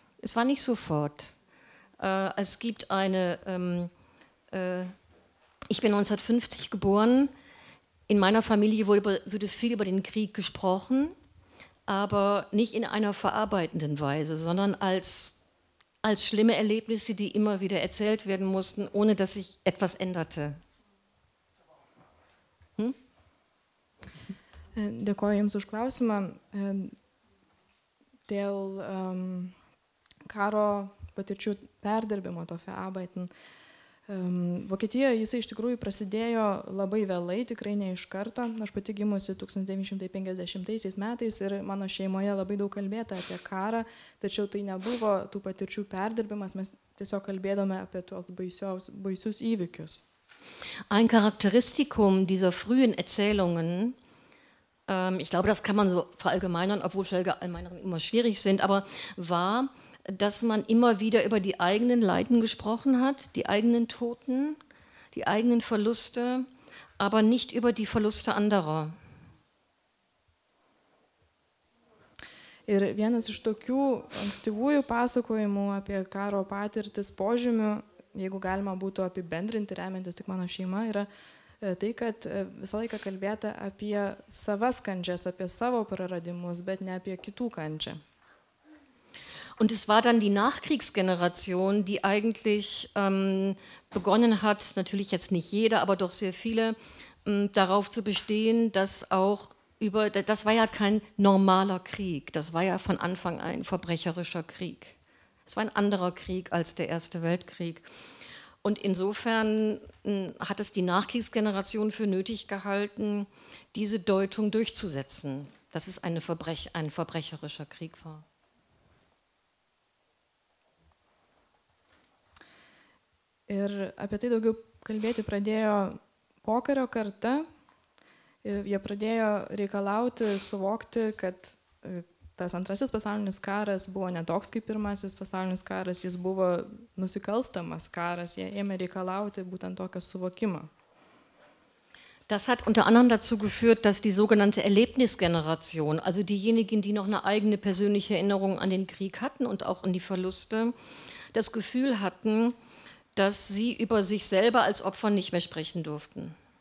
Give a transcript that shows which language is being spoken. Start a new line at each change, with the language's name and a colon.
German: Es war nicht sofort. Es gibt eine, ich bin 1950 geboren, in meiner Familie wurde viel über den Krieg gesprochen, aber nicht in einer verarbeitenden Weise, sondern als schlimme Erlebnisse, die immer wieder erzählt werden mussten, ohne dass sich etwas änderte.
Lithuanian: Dėkuoju Jums už klausimą. Dėl karo patirčių perdirbimo, to verarbeiten. Vokietijoje jisai iš tikrųjų prasidėjo labai vėlai, tikrai ne iš karto. Aš pati gimusi 1950 metais ir mano šeimoje labai daug kalbėta apie karą, tačiau tai nebuvo tų patirčių perdirbimas, mes tiesiog kalbėdome apie tuos baisius įvykius.
German: Ein Charakteristikum dieser frühen Erzählungen, ich glaube, das kann man so verallgemeinern, obwohl Verallgemeinerungen immer schwierig sind, aber war, dass man immer wieder über die eigenen Leiden gesprochen hat, die eigenen Toten, die eigenen Verluste, aber nicht über die Verluste anderer.
Lithuanian: Ir vienas iš tokių ankstyvųjų pasakojimų apie karo patirtis požymių, jeigu galima būtų apibendrinti, remiantis tik mano šeima, yra tai, kad visą laiką kalbėta apie savas kančias, apie savo praradimus, bet ne apie kitų kančią.
German: Und es war dann die Nachkriegsgeneration, die eigentlich begonnen hat, natürlich jetzt nicht jeder, aber doch sehr viele, darauf zu bestehen, dass auch über, das war ja kein normaler Krieg, das war ja von Anfang an ein verbrecherischer Krieg. Es war ein anderer Krieg als der Erste Weltkrieg. Und insofern hat es die Nachkriegsgeneration für nötig gehalten, diese Deutung durchzusetzen, dass es ein verbrecherischer Krieg war.
Lithuanian: Ir apie tai daugiau kalbėti pradėjo pokario karta. Jie pradėjo reikalauti, suvokti, kad tas antrasis pasaulinis karas buvo ne toks kaip pirmasis pasaulinis karas, jis buvo nusikalstamas karas. Jie ėmė reikalauti būtent tokio suvokimo.
German: Das hat unter anderem dazu geführt, dass die sogenannte Erlebnisgeneration, also diejenigen, die noch eine eigene persönliche Erinnerung an den Krieg hatten und auch an die Verluste, das Gefühl hatten, dass sie über sich selber als Opfer nicht mehr sprechen durften.